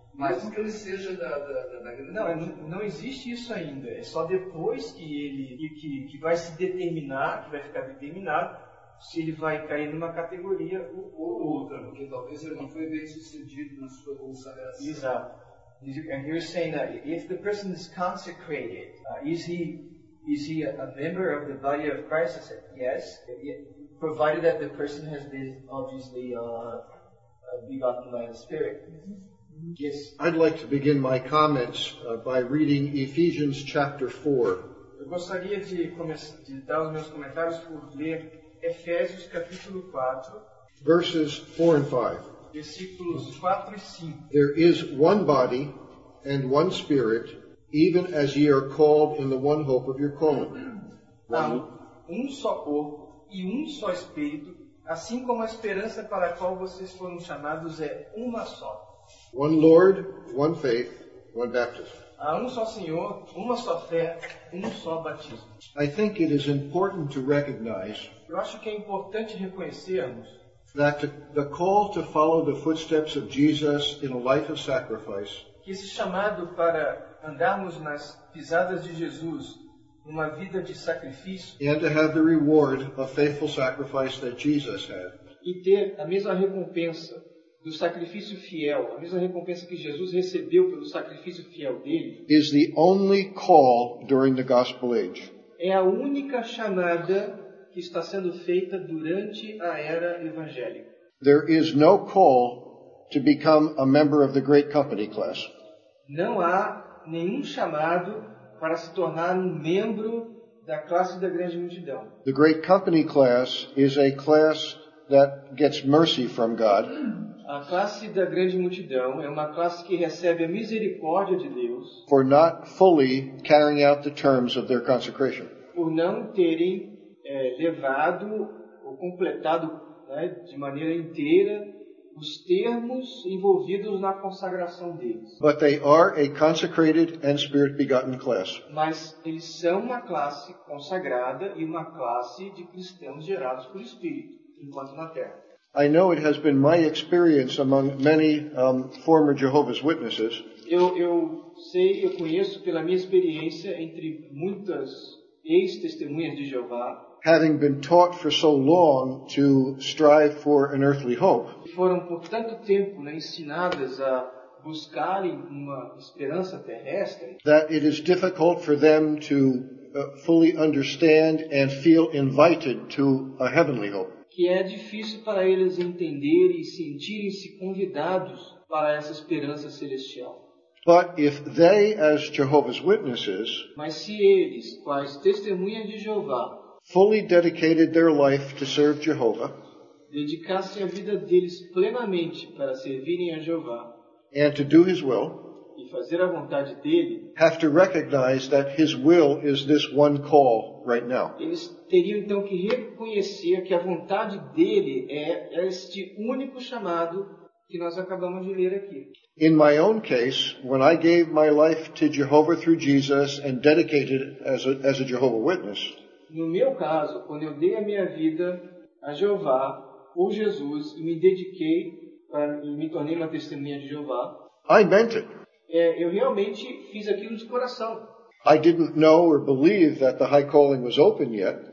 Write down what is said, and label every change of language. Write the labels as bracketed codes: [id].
[pt] Mas que ele seja da grande. Não, não existe isso ainda. É só depois que ele. Que vai se determinar, que vai ficar determinado, se ele vai cair numa categoria ou outra. Porque talvez ele não foi bem sucedido na sua consagração. Exato. [en] And you're saying that if the person is consecrated, is he a member of the body of Christ? I said yes, provided that the person has been obviously begotten by the Spirit. Mm-hmm. Yes. I'd like to begin my comments by reading Ephesians chapter 4. [pt] Eu gostaria de dar os meus comentários por ler Efésios capítulo 4, [en] verses 4 and 5. [pt] versículos 4 e 5. [en] There is one body and one spirit, even as ye are called in the one hope of your calling. [pt] Um só corpo e só espírito, assim como a esperança para a qual vocês foram chamados é uma só. [en] One Lord, one faith, one baptism. [pt] Há só Senhor, só fé, só batismo. [en] I think it is important to recognize that the call to follow the footsteps of Jesus in a life of sacrifice, [pt] que esse chamado para andarmos nas pisadas de Jesus, uma vida de sacrifício, [en] and to have the reward of faithful sacrifice that Jesus had, [pt] e ter a mesma recompensa do sacrifício fiel, a mesma recompensa que Jesus recebeu pelo sacrifício fiel dele, [en] is the only call during the gospel age. [pt] É a única chamada que está sendo feita durante a era evangélica. [en] There is no call to become a member of the great company class. [pt] Não há nenhum chamado para se tornar membro da classe da grande multidão. [en] The great company class is a class that gets mercy from God. [pt] A classe da grande multidão é uma classe que recebe a misericórdia de Deus [en] for not fully carrying out the terms of their consecration. [pt] Por não terem levado ou completado, né, de maneira inteira os termos envolvidos na consagração deles. [en] But they are a consecrated and spirit-begotten class. [pt] Mas eles são uma classe consagrada e uma classe de cristãos gerados por Espírito, enquanto na Terra. [en] I know it has been my experience among many former Jehovah's Witnesses. [pt] Eu conheço pela minha experiência entre muitas ex-testemunhas de Jeová. [en] Having been taught for so long to strive for an earthly hope, [pt] foram por tanto tempo, né, ensinadas a buscarem uma esperança terrestre, [en] that it is difficult for them to fully understand and feel invited to a heavenly hope. [pt] Que é difícil para eles entenderem e sentirem-se convidados para essa esperança celestial. [en] But if they, as Jehovah's Witnesses, [pt] mas se eles, quais testemunhas de Jeová, [en] fully dedicated their life to serve Jehovah, [pt] dedicassem a vida deles plenamente para servirem a Jeová, [en] and to do his will, [pt] e fazer a vontade dele, [en] have to recognize that his will is this one call right now. [pt] Eles teriam então que reconhecer que a vontade dele é este único chamado que nós acabamos de ler aqui. [en] In my own case, when I gave my life to Jehovah through Jesus and dedicated as a Jehovah Witness, [pt] no meu caso, quando eu dei a minha vida a Jeová ou Jesus e me dediquei e me tornei uma testemunha de Jeová, [en] I meant it. [pt] Eu realmente fiz aquilo de coração. [en] I didn't know or believe that the high calling was open yet.